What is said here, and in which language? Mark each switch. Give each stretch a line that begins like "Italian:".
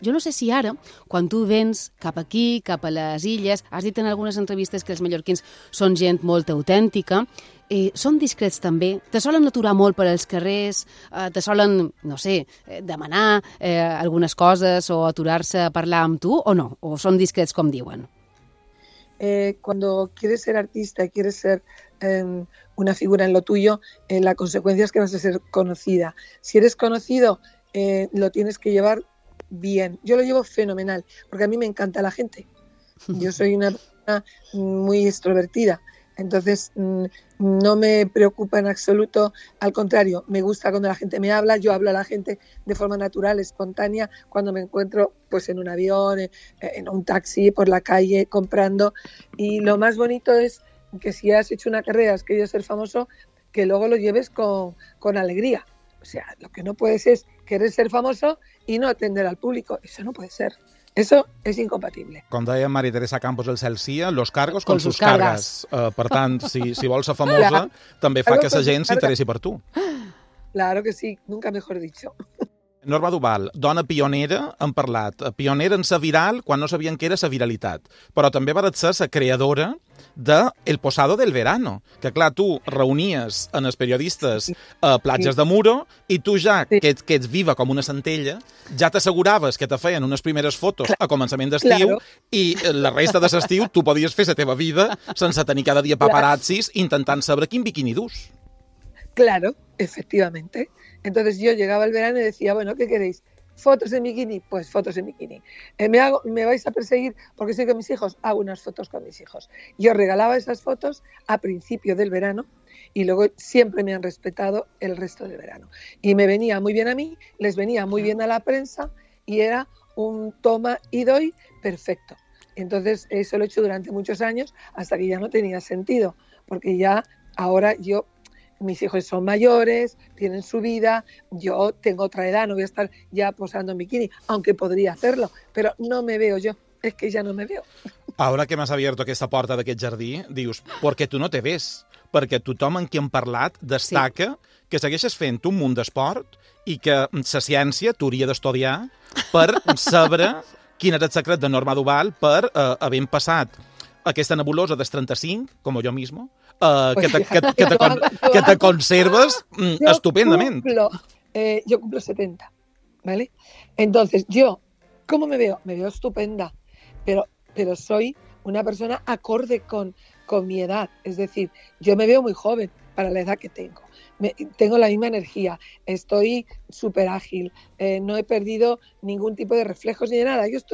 Catalan: Jo no sé si ara, quan tu vens cap aquí, cap a les illes, has dit en algunes entrevistes que els mallorquins són gent molt autèntica, són discrets també, te solen aturar molt per als carrers, te solen, no sé, demanar algunes coses o aturar-se a parlar amb tu, o no? O són discrets com diuen?
Spanish: Cuando quieres ser artista, quieres ser una figura en lo tuyo, la consecuencia es que vas a ser conocida. Si eres conocido, lo tienes que llevar bien. Yo lo llevo fenomenal, porque a mí me encanta la gente. Yo soy una persona muy extrovertida, entonces no me preocupa en absoluto. Al contrario, me gusta cuando la gente me habla, yo hablo a la gente de forma natural, espontánea, cuando me encuentro pues en un avión, en un taxi, por la calle, comprando. Y lo más bonito es que si has hecho una carrera, has querido ser famoso, que luego lo lleves con alegría. O sea, lo que no puedes es querer ser famoso y no atender al público. Eso no puede ser. Eso es incompatible.
Catalan: Com deia
Spanish: Mari Teresa Campos el Celsia, los cargos con sus cargas.
Catalan: Per tant, si vols ser famosa, també fa que la gent s'interessi per tu.
Spanish: Claro que sí, nunca mejor dicho.
Catalan: Norma Duval, dona pionera, hem parlat. Pionera en sa viral, quan no sabien què era sa viralitat. Però també va ser sa creadora de El Posado del Verano, que, clar, tu reunies en els periodistes a Platges de Muro i tu ja, que ets viva com una centella, ja t'asseguraves que te feien unes primeres fotos a començament d'estiu i la resta de l'estiu tu podies fer la teva vida sense tenir cada dia paparazzis intentant saber quin biquini durs.
Spanish: Claro, efectivamente. Entonces yo llegaba el verano y decía, bueno, ¿qué queréis? ¿Fotos en bikini? Pues fotos en bikini. ¿Me vais a perseguir porque soy con mis hijos? Hago unas fotos con mis hijos. Yo regalaba esas fotos a principio del verano y luego siempre me han respetado el resto del verano. Y me venía muy bien a mí, les venía muy bien a la prensa y era un toma y doy perfecto. Entonces eso lo he hecho durante muchos años hasta que ya no tenía sentido porque ya ahora yo... Mis hijos son mayores, tienen su vida, yo tengo otra edad, no voy a estar ya posando en bikini, aunque podría hacerlo, pero no me veo yo, es que ya no me veo. Ahora que
Catalan: m'has abierto aquesta porta d'aquest jardí, dius, perquè tu no te ves, perquè tothom amb qui hem parlat destaca que segueixes fent un munt d'esport i que la ciència t'hauria d'estudiar per saber quin era el secret de Norma Duval per haver passat aquesta nebulosa dels 35, com jo mismo, que te conserves estupendament.
Spanish: Yo cumplo 70, ¿vale? Entonces, yo, ¿cómo me veo? Me veo estupenda, pero soy una persona acorde con mi edad. Es decir, yo me veo muy joven para la edad que tengo. Tengo la misma energía, estoy súper ágil, no he perdido ningún tipo de reflejos ni de nada.